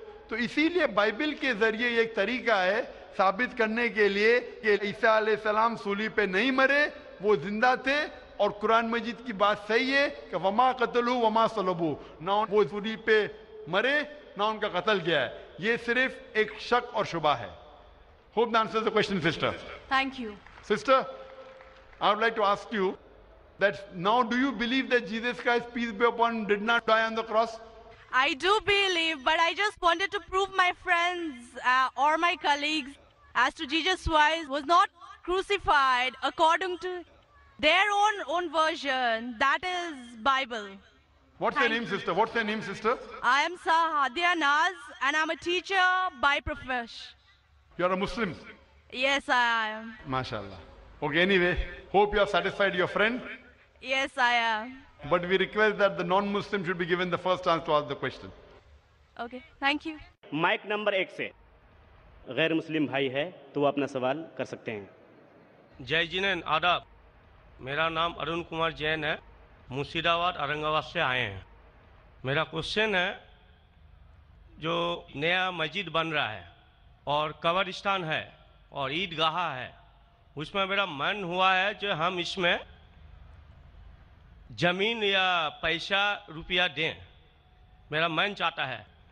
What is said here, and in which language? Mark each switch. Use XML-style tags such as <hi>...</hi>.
<hi>तो इसीलिए बाइबल के जरिए एक तरीका है साबित करने के लिए कि ईसा अलैहि सलाम सूली पे नहीं मरे, वो जिंदा थे. और कुरान मजीद की बात सही है कि</hi> <ar>वमा कतलू वमा सलबू,</ar> <hi>ना वो सूली पे मरे ना उनका कत्ल गया है. ये सिर्फ एक शक और शुबा है.</hi> <en>Hope that answers the question, sister. Thank you. Sister, I would like to ask you that now, do you believe that Jesus Christ, peace be upon him, did not die on the cross? I do believe, but I just wanted to prove my friends or my colleagues as to Jesus Christ was not crucified according to their own version, that is Bible. What's your name, sister? What's your name, sister? I am Sahadia Naz, and I'm a teacher by profession. You are a Muslim? Yes, I am. MashaAllah. Okay, anyway, hope you are satisfied, your friend? Yes, I am. But we request that the non-Muslim should be given the first chance to ask the question. Okay, thank you.</en> <hi>Mic number एक से गैर मुस्लिम भाई है तो वो अपना सवाल कर सकते हैं. जय जिनेन, आदाब. मेरा नाम अरुण कुमार जैन है, मुर्शिदाबाद औरंगाबाद से आए हैं. मेरा क्वेश्चन है, जो नया मस्जिद बन रहा है और कब्र स्थान है और ईदगाह है, उसमें मेरा मन हुआ है जो हम इसमें जमीन या पैसा रुपया दें, मेरा मन चाहता है.</hi>